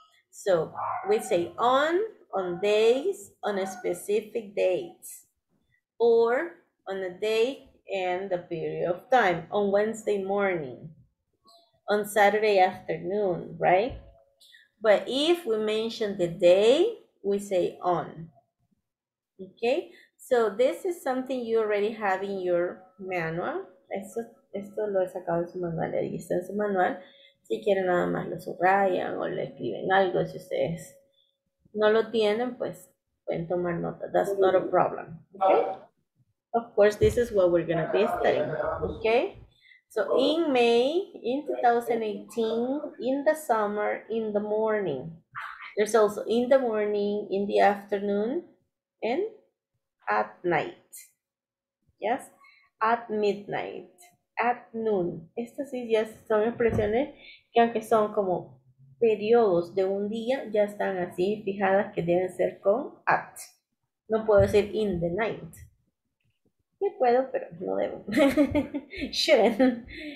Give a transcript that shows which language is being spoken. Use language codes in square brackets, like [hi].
[en] So we say on days, on a specific date, or on a day and a period of time, on Wednesday morning, on Saturday afternoon, right? But if we mention the day, we say on, okay? So this is something you already have in your manual. [es] Esto lo he sacado de su manual, ahí está en su manual. Si quieren nada más lo subrayan o le escriben algo, si ustedes no lo tienen, pues pueden tomar nota. [en] That's not a problem, okay? Of course, this is what we're gonna be studying, okay? So in May, in 2018, in the summer, in the morning. There's also in the morning, in the afternoon, and at night. Yes, at midnight, at noon. [es] Estas sí ya son expresiones que aunque son como periodos de un día, ya están así fijadas que deben ser con at. No puedo decir [en] in the night. [es] Me puedo, pero no debo. Shouldn't.